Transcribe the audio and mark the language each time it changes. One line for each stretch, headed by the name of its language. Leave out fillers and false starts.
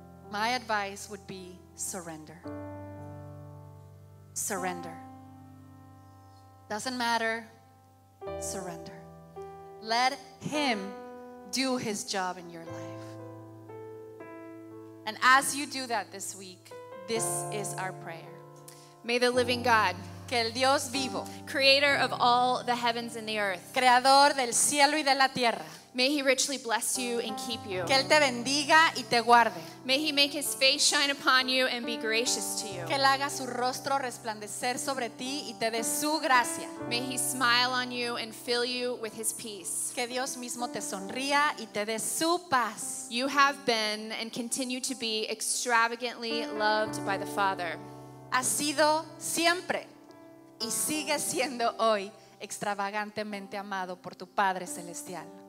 English: My advice would be surrender. Surrender. Doesn't matter. Surrender. Let him do his job in your life. And as you do that this week, this is our prayer. May the living God,
Spanish: que el Dios vivo,
English: creator of all the heavens and the earth,
Spanish: creador del cielo y de la tierra,
English: may he richly bless you and keep you.
Spanish: Que él te bendiga y te guarde.
English: May he make his face shine upon you and be gracious to you.
Spanish: Que él haga su rostro resplandecer sobre ti y te dé su gracia.
English: May he smile on you and fill you with his peace.
Spanish: Que Dios mismo te sonría y te dé su paz.
English: You have been and continue to be extravagantly loved by the Father.
Spanish: Has sido siempre y sigue siendo hoy extravagantemente amado por tu Padre Celestial.